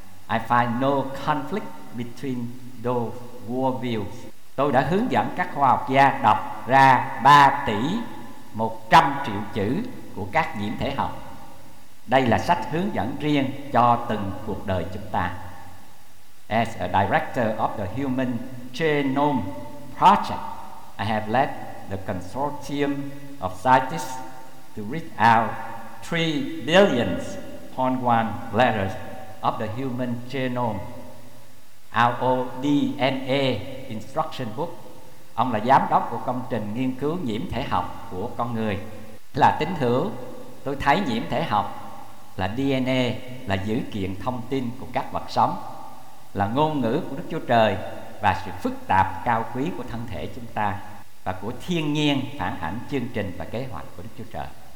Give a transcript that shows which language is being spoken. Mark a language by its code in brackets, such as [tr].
[en] I find no conflict between those worldviews. [vi] Tôi đã hướng dẫn các khoa học gia đọc ra 3 tỷ 100 triệu chữ của các nhiễm thể học. Đây là sách hướng dẫn riêng cho từng cuộc đời chúng ta. [en] As a director of the Human Genome Project, I have led the consortium of scientists to read out 3 billion point 1 letters of the human genome, our DNA instruction book. [vi] Ông là giám đốc của công trình nghiên cứu nhiễm thể học của con người. Là tín hữu, tôi thấy nhiễm thể học là DNA, là dữ kiện thông tin của các vật sống, là ngôn ngữ của Đức Chúa Trời và sự phức tạp cao quý của thân thể chúng ta và của thiên nhiên phản ảnh chương trình và kế hoạch của Đức Chúa Trời.